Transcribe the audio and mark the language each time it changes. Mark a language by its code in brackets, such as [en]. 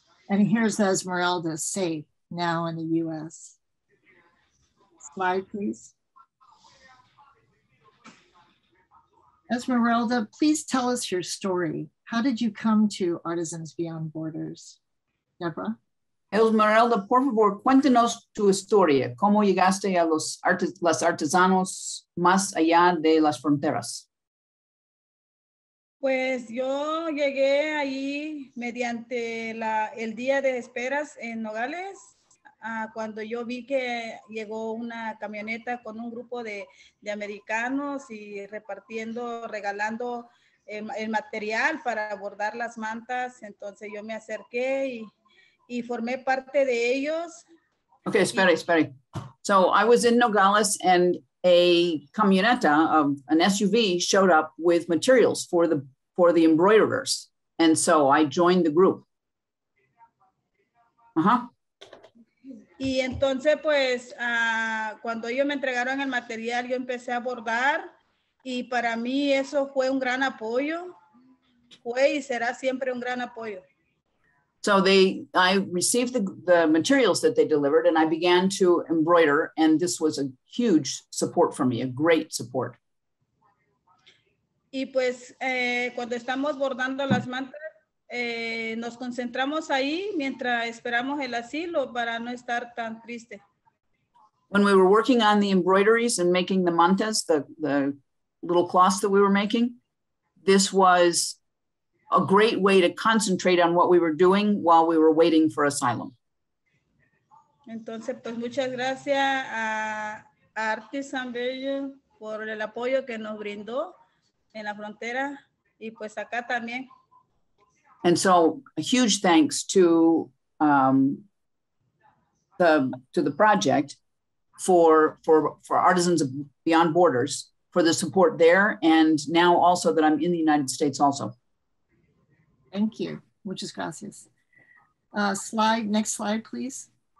[en] And here's Esmeralda safe now in the US. Slide, please. Esmeralda, please tell us your story. how did you come to Artisans Beyond Borders, Deborah? [es] Esmeralda, por favor, cuéntenos tu historia. ¿Cómo llegaste a los artesanos más allá de las fronteras? Pues yo llegué ahí mediante el día de esperas en Nogales, cuando yo vi que llegó una camioneta con un grupo de americanos y regalando el material para bordar las mantas. Entonces yo me acerqué y formé parte de ellos. Okay, espere. [en] So I was in Nogales and a camioneta, an SUV, showed up with materials for the embroiderers. And so I joined the group. [es] Y entonces pues cuando ellos me entregaron el material, yo empecé a bordar y para mí eso fue un gran apoyo. Fue y será siempre un gran apoyo. [en] So I received the materials that they delivered and I began to embroider, and this was a huge support for me, a great support. [es] Y pues cuando estamos bordando las mantas, nos concentramos ahí mientras esperamos el asilo para no estar tan triste. [en] When we were working on the embroideries and making the mantas, the little cloths that we were making, this was a great way to concentrate on what we were doing while we were waiting for asylum. [es] Entonces, pues muchas gracias a Artisan Bello por el apoyo que nos brindó en la frontera y pues acá también. [en] And so, a huge thanks to the project for Artisans Beyond Borders for the support there, and now also that I'm in the United States also. Thank you. [es] Muchas gracias. [en] Next slide, please.